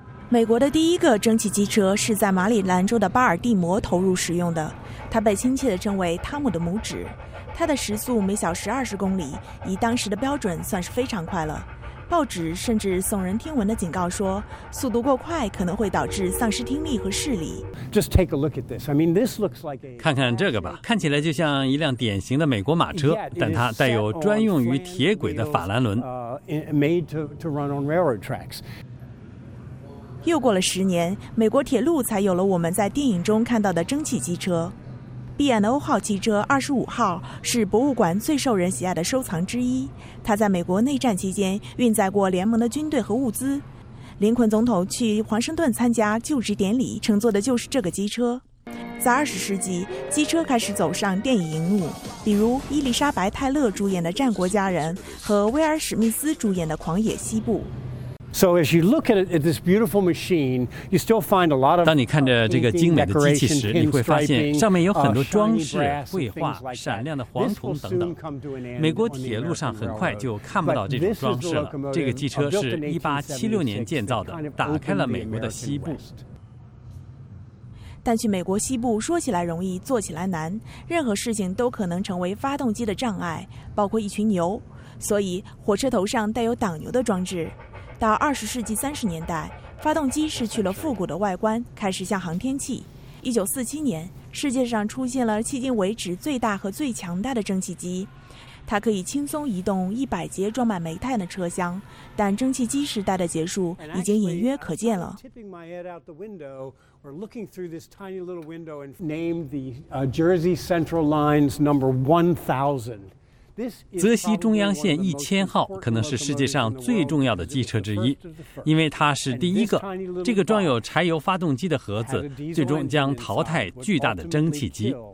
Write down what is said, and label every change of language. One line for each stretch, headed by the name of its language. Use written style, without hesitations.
Chinese: 美国的第一个蒸汽机车是在马里兰州的巴尔的摩投入使用的，它被亲切地称为汤姆的拇指。它的时速每小时20公里，以当时的标准算是非常快了。报纸甚至耸人听闻地警告说，速度过快可能会导致丧失听力和视力。
English: Just take a look at this. I mean, this looks like a
Chinese: 看看这个吧，看起来就像一辆典型的美国马车，但它带有专用于铁轨的法兰轮。
English: Made to run on railroad tracks.
Chinese: 又过了10年，美国铁路才有了我们在电影中看到的蒸汽机车。 BNO 号记者25号是博物馆最受人喜爱的收藏之一。他在美国内战期间运载过联盟的军队和物资。林肯总统去华盛顿参加就职典礼，乘坐的就是这个机车。在20世纪，机车开始走上电影荧幕，比如伊丽莎白·泰勒主演的《战国佳人》和威尔·史密斯主演的《狂野西部》。
English: So as you look at this beautiful machine, you still find a lot of.
Chinese: 当你看着这个精美的机器时，你会发现上面有很多装饰、绘画、闪亮的黄铜等等。美国铁路上很快就看不到这种装饰了。这个机车是1876年建造的，打开了美国的西部。但去美国西部说起来容易，做起来难，任何事情都可能成为发动机的障碍，包括一群牛。所以火车头上带有挡牛的装置。到20世纪30年代，发动机失去了复古的外观，开始像航天器。 1947年，世界上出现了迄今为止最大和最强大的蒸汽机，它可以轻松移动100节装满煤炭的车厢。但蒸汽机时代的结束已经隐约可见了。
English: We're looking through this tiny little window and named the Jersey Central Lines number 1000.
Chinese: 泽西中央线1000号可能是世界上最重要的机车之一，因为它是第一个。这个装有柴油发动机的盒子，最终将淘汰巨大的蒸汽机。